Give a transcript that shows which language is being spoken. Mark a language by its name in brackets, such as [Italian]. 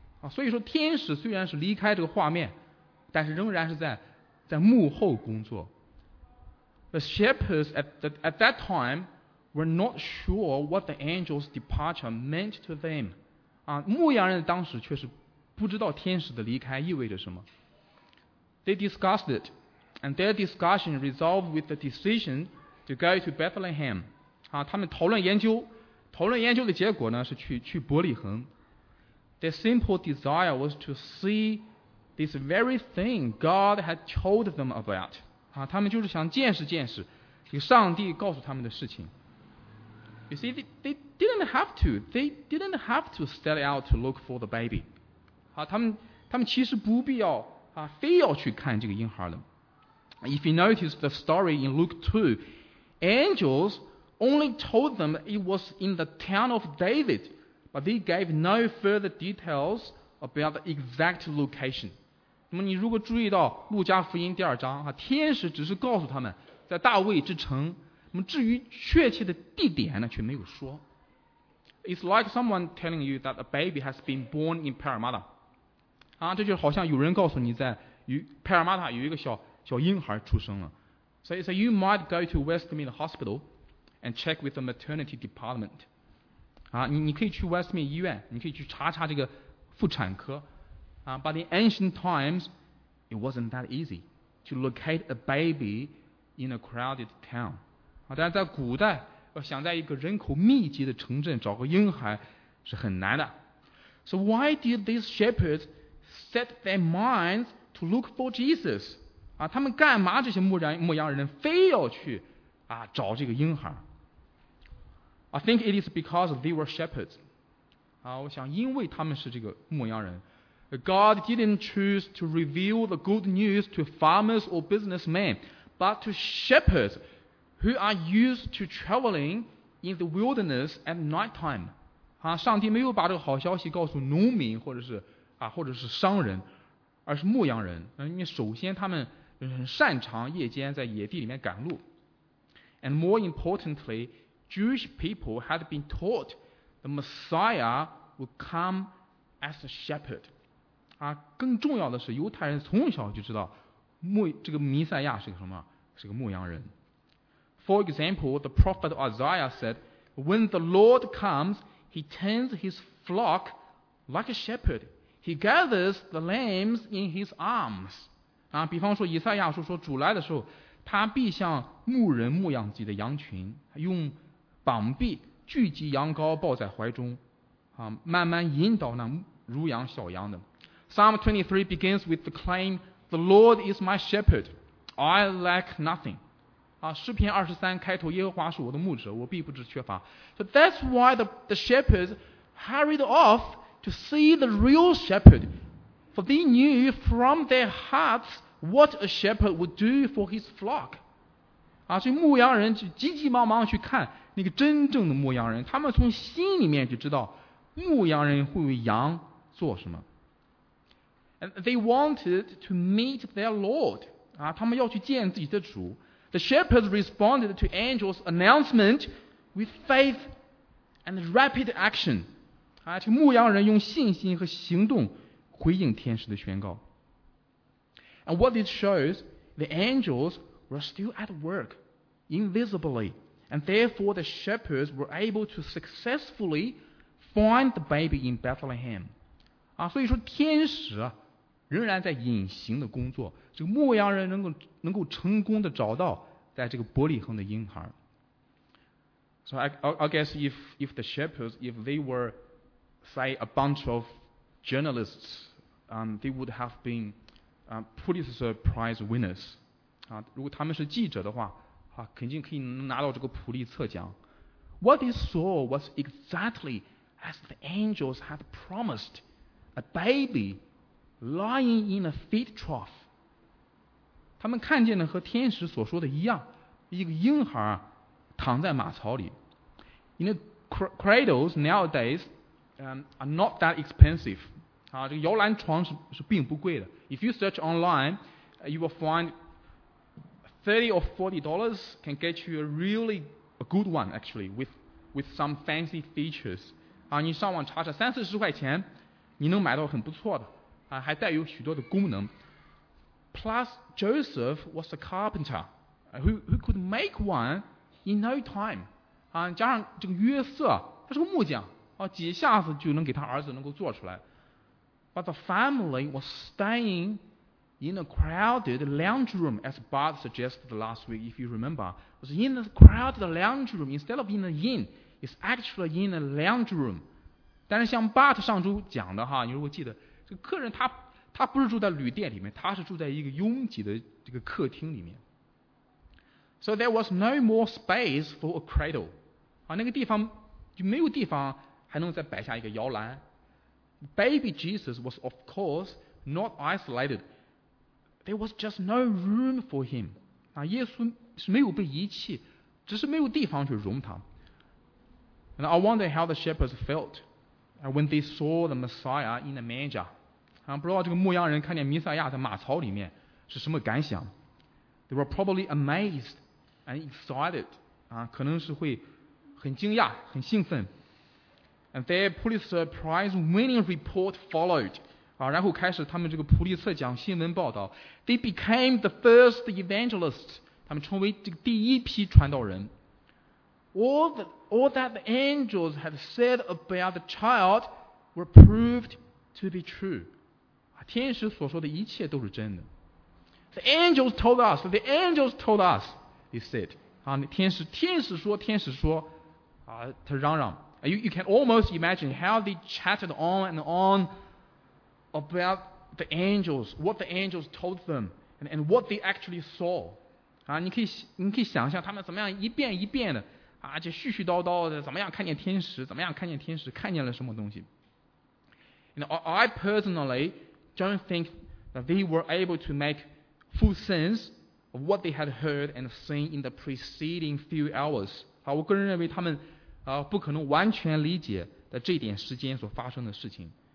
[Chinese] 所以说天使虽然是离开这个画面，但是仍然是在幕后工作。 [English] The shepherds at that time were not sure what the angel's departure meant to them. [Chinese] 牧羊人当时却是不知道天使的离开意味着什么。 [English] They discussed it, and their discussion resolved with the decision to go to Bethlehem. [Chinese] 他们讨论研究的结果呢是去伯利恒。 [English] Their simple desire was to see this very thing God had told them about. [Chinese] 他们就是想见识这个上帝告诉他们的事情。 [English] You see, they didn't have to. They didn't have to set out to look for the baby. [Chinese] 他们其实不必要非要去看这个婴孩了。 [English] If you notice the story in Luke 2, angels only told them it was in the town of David. But they gave no further details about the exact location. [Chinese] 那么你如果注意到路加福音第二章，天使只是告诉他们在大卫之城，那么至于确切的地点呢，却没有说。 [English] It's like someone telling you that a baby has been born in Parramatta. [Chinese] 这就好像有人告诉你在Parramatta 有一个小婴孩出生了。 [English] So you might go to Westmead Hospital and check with the maternity department. [Chinese] 你可以去 Westmead 医院，你可以去查这个妇产科。 [English] But in ancient times, it wasn't that easy to locate a baby in a crowded town. [Chinese] 但在古代，要想在一个人口密集的城镇找个婴孩是很难的。 [English] So why did these shepherds set their minds to look for Jesus? [Chinese] 他们干嘛这些牧羊人非要去找这个婴孩？ [English] I think it is because they were shepherds. [Chinese] 我想因为他们是这个牧羊人。 [English] God didn't choose to reveal the good news to farmers or businessmen, but to shepherds who are used to traveling in the wilderness at nighttime. [Chinese] 上帝没有把这个好消息告诉农民或者是商人，而是牧羊人。因为首先他们很擅长夜间在野地里面赶路。 [English] And more importantly,Jewish people had been taught the Messiah would come as a shepherd. [Chinese] 更重要的是犹太人从小就知道这个弥赛亚是个什么，是个牧羊人。 [English] For example, the prophet Isaiah said, When the Lord comes, he tends his flock like a shepherd. He gathers the lambs in his arms. [Chinese] 比方说以赛亚说主来的时候，他必像牧人牧养自己的羊群，用膀臂聚集羊羔抱在怀中，慢慢引导那如羊小羊的。 [English] Psalm 23 begins with the claim, "The Lord is my shepherd; I lack nothing." [Chinese] 诗篇二十三开头，耶和华是我的牧者，我必不致缺乏。 [English] So that's why the shepherds hurried off to see the real shepherd, for they knew from their hearts what a shepherd would do for his flock. [Chinese] 所以牧羊人就急急忙忙去看。那个真正的牧羊人，他们从心里面就知道牧羊人会为羊做什么。 [English] And they wanted to meet their Lord. [Chinese] 他们要去见自己的主。 [English] The shepherds responded to angel's announcement with faith and rapid action. [Chinese] 就牧羊人用信心和行动回应天使的宣告。 [English] And what this shows, the angels were still at work, invisibly. And therefore, the shepherds were able to successfully find the baby in Bethlehem. [Chinese] 所以说天使仍然在隐形的工作，这个牧羊人能够成功的找到在这个伯利恒的婴孩。 [English] So I guess if the shepherds, if they were, say, a bunch of journalists, they would have been Pulitzer Prize winners. [Chinese] 如果他们是记者的话，肯定可以拿到这个普利策奖。 [English] What he saw was exactly as the angels had promised, a baby lying in a feed trough. [Chinese] 他们看见的和天使所说的一样，一个婴孩躺在马槽里。 [English] In a cradles nowadays are not that expensive. [Chinese] 啊，这个摇篮床是并不贵的。 [English] If you search online, you will find $30 or $40 can get you a really good one actually with some fancy features. [Chinese] 啊，你上网查查，三四十块钱，你能买到很不错的，啊，还带有许多的功能。 [English] Plus, Joseph was a carpenter, who could make one in no time. [Chinese] 啊，加上这个约瑟，他是个木匠，啊，几下子就能给他儿子能够做出来。 [English] But the family was staying in a crowded lounge room, as Bart suggested last week, if you remember. It was in a crowded lounge room. Instead of in a inn, it's actually in a lounge room. [Chinese] 但是像 Bart 上周讲的哈，你如果记得，这个客人他不是住在旅店里面，他是住在一个拥挤的这个客厅里面。 [English] So there was no more space for a cradle. [Chinese] 啊，那个地方就没有地方还能再摆下一个摇篮。 [English] Baby Jesus was, of course, not isolated. There was just no room for him. [Chinese] 啊，耶稣是没有被遗弃，只是没有地方去容他。 [English] And I wonder how the shepherds felt when they saw the Messiah in a manger. [Chinese] 啊，不知道这个牧羊人看见弥赛亚在马槽里面是什么感想。 [English] They were probably amazed and excited. [Chinese] 啊，可能是会很惊讶，很兴奋。 [English] And their Pulitzer Prize-winning report followed. [Chinese] 啊，然后开始他们这个普利策奖新闻报道。 [English] They became the first evangelists. [Chinese] 他们成为这个第一批传道人。 [English] All that the angels had said about the child were proved to be true. [Chinese] 啊，天使所说的一切都是真的。 [English] The angels told us. They said. [Chinese] 啊，天使说，啊，他嚷嚷。 [English] You can almost imagine how they chatted on and on about the angels, what the angels told them, and what they actually saw. [Chinese] 啊，你可以想象他们怎么样一遍一遍的，啊，就絮絮叨叨的，怎么样看见天使，看见了什么东西。 [English] And I personally don't think that they were able to make full sense of what they had heard and seen in the preceding few hours. [Chinese] 啊，我个人认为他们不可能完全理解在这点时间所发生的事情。